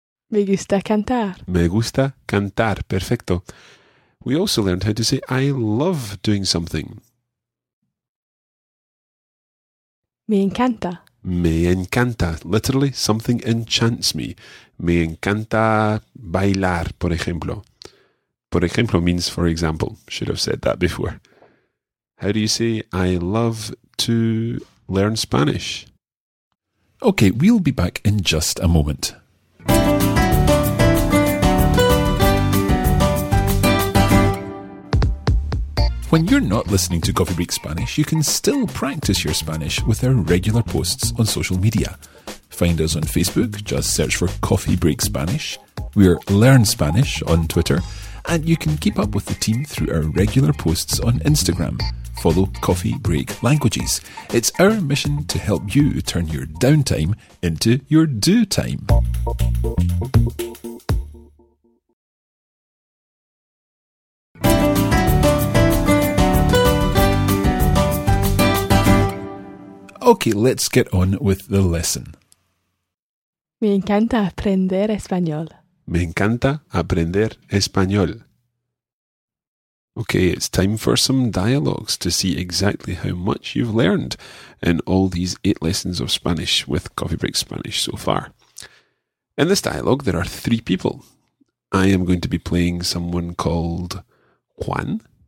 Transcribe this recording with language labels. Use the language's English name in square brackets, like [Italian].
[Spanish] Me gusta cantar. Me gusta cantar. Perfecto. [English] We also learned how to say, I love doing something. [Spanish] Me encanta. Me encanta. [English] Literally, something enchants me. [Spanish] Me encanta bailar, por ejemplo. Por ejemplo [English] means for example. Should have said that before. How do you say, I love to learn Spanish? Okay, we'll be back in just a moment. When you're not listening to Coffee Break Spanish, you can still practice your Spanish with our regular posts on social media. Find us on Facebook, just search for Coffee Break Spanish. We're Learn Spanish on Twitter. And you can keep up with the team through our regular posts on Instagram. Follow Coffee Break Languages. It's our mission to help you turn your downtime into your do time. Okay, let's get on with the lesson. [Spanish] Me encanta aprender español. Me encanta aprender español. [English] Okay, it's time for some dialogues to see exactly how much you've learned in all these 8 lessons of Spanish with Coffee Break Spanish so far. In this dialogue, there are 3 people. I am going to be playing someone called Juan.